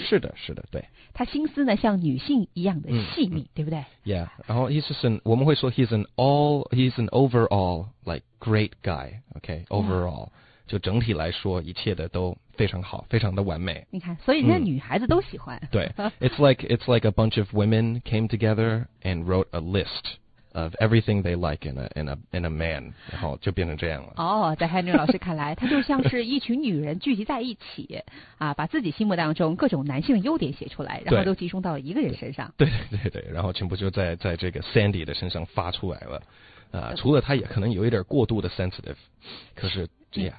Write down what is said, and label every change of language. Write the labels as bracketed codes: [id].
[zh] 是的，是的，对。他心思呢，像女性一样的细腻，嗯、对不对 [en] ？Yeah. [zh] 然后 [en] he's just an. 我们会说 he's an overall like great guy. Okay. [zh] Overall.、嗯就整体来说，一切的都非常好，非常的完美。你看，所以人家女孩子都喜欢。 [en] 嗯、 [zh] 对， [en] it's like a bunch of women came together and wrote a list of everything they like in a man， [zh] 然后就变成这样了。哦、 [en] oh, [zh] ，在 Henry 老师看来，他就像是一群女人聚集在一起，啊，把自己心目当中各种男性的优点写出来，然后都集中到一个人身上。对，然后全部就在这个 Sandy 的身上发出来了。除了他也可能有一点过度的 sensitive， 可是这样。